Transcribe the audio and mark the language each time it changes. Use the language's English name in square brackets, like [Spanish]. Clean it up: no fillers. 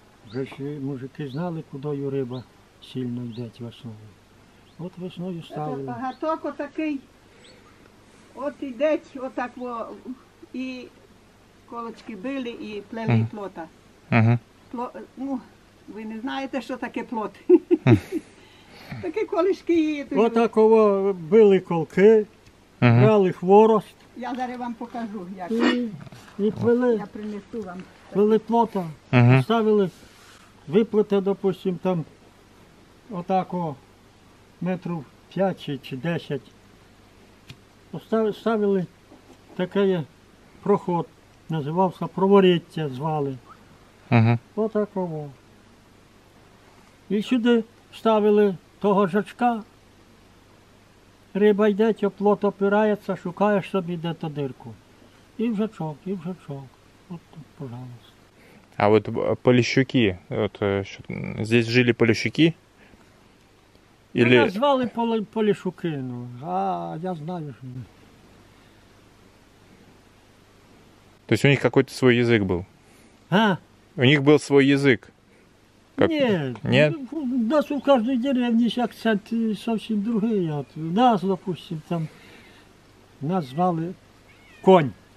[Ukrainian] Вже мужики знали, куди риба сильно йде весною. От весною ставили. Гаток отакий. От йде, отак во... І... Колочки били і плели uh-huh. плота. Uh-huh. Ну, ви не знаєте, що таке плот. Такі колишки є. Отаково били колки, uh-huh. брали хворост. Я зараз вам покажу, як. І плели. Я принесу вам. Плели плота. Uh-huh. Ставили виплати, [Russian] допустим, [Ukrainian] там отако метрів 5 чи 10. Ставили таке проход. Називався Провориття, звали. Угу. Отаково. І сюди ставили того жачка. Риба йде, плот опирається, шукаєш собі де-то дирку. І в жачок, і в жачок. От, [Russian] пожалуйста. [Ukrainian] А от поліщуки, от, що, [Russian] здесь [Ukrainian] жили поліщуки? [Russian] Или... [Ukrainian] Мене звали поліщуки, ну, а я знаю, що не. [Russian] То есть у них какой-то свой язык был? А? У них был свой язык? Как... Нет. Нет? У нас у каждой деревни есть акцент совсем другой. Вот у нас, допустим, там назвали конь.